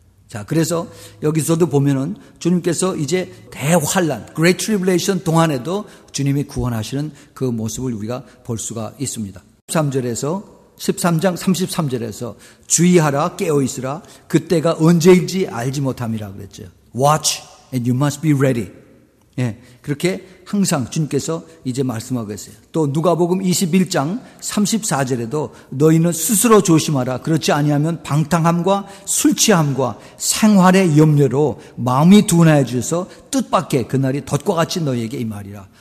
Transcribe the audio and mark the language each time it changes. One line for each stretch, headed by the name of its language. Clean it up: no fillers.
Korean: 자, 그래서 여기서도 보면은 주님께서 이제 대환란, Great Tribulation 동안에도 주님이 구원하시는 그 모습을 우리가 볼 수가 있습니다. 13절에서 13장 33절에서 주의하라 깨어있으라 그때가 언제인지 알지 못함이라 그랬죠.
English: Watch and you must be ready.
Korean: 예, 그렇게 항상 주님께서 이제 말씀하고 계세요. 또 누가복음 21장 34절에도 너희는 스스로 조심하라 그렇지 아니하면 방탕함과 술취함과 생활의 염려로 마음이 둔화해져서 뜻밖의 그날이 덫과 같이 너희에게 임하리라.